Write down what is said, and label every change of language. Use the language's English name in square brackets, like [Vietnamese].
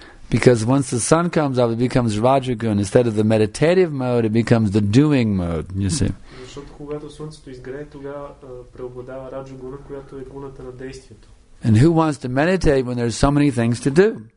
[English] Because once the sun comes up, it becomes Rajagun. Instead of the meditative mode, it becomes the doing mode, you see. [Bulgarian] Защото когато слънцето изгрее, тогава преобладава Раджагуна, която е гуната на действието. [English] And who wants to meditate when there's so many things to do?